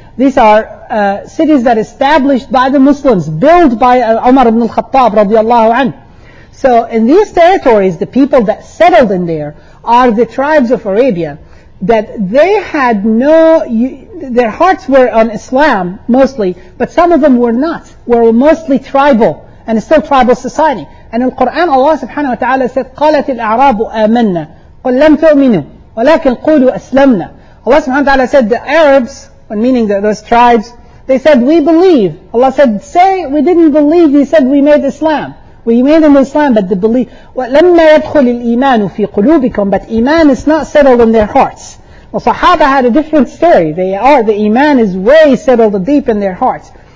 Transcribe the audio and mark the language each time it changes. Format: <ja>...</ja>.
<en>These are cities that established by the Muslims, built by Umar ibn al-Khattab radiallahu anhu. So in these territories, the people that settled in there are the tribes of Arabia, that they had no, their hearts were on Islam mostly, but some of them were not, were mostly tribal, and still tribal society. And in Quran,</en> <ar>Allah subhanahu wa ta'ala said, قَالَتِ الْأَعْرَابُ آمَنَّا قُلْ لَمْ تُؤْمِنُوا وَلَكِنْ قُولُوا أَسْلَمْنَا.</ar> <en>Allah subhanahu wa ta'ala said, the Arabs, meaning those tribes, they said, we believe. Allah said, say, we didn't believe, they said, we made Islam. We made an Islam, but the belief,</en> <ar>وَلَمَّا يَدْخُلِ الْإِيمَانُ فِي قُلُوبِكُمْ,</ar> <en>but Iman is not settled in their hearts. Well, Sahaba had a different story. They are, the Iman is way settled deep in their hearts.</en>